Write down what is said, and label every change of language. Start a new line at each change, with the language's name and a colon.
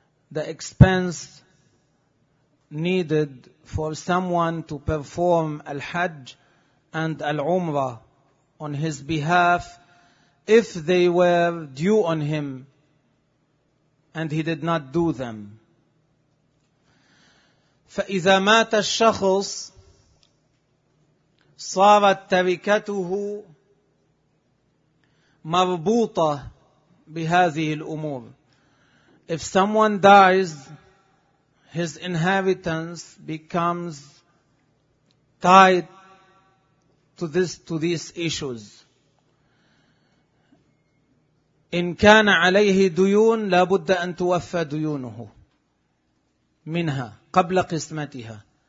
English: the expense needed for someone to perform al-hajj and al-umrah on his behalf if they were due on him and he did not do them.
Arabic: فإذا مات الشخص صارت تركته مربوطة بهذه الأمور.
English: If someone dies, his inheritance becomes tied to this, to these issues.
Arabic: إن كان عليه ديون لابد أن توفى ديونه منها قبل قسمتها.